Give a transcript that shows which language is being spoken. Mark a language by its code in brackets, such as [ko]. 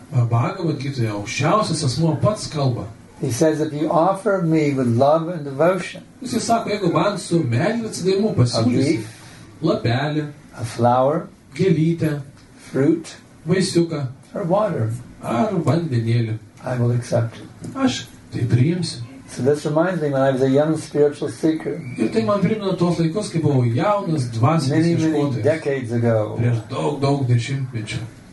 [lt] Bhagavad Gitoje aukščiausias asmuo pats kalba. [en] He says, if you offer me with love and devotion, [lt] jis sako, jeigu man su meilė atsidavimu pasiūlysi, lapelį, [en] a flower, [lt] gėlytę, [en] fruit, [lt] vaisiuką, [en] or water, [lt] ar vandenėlį, [en] I will accept it. [lt] Aš tai priimsiu. [en] So this reminds me when I was a young spiritual seeker. [lt] Ir tai man primena tos laikus, kai buvau jaunas dvasinis ieškotojas. Prieš daug, daug dešimtmečių.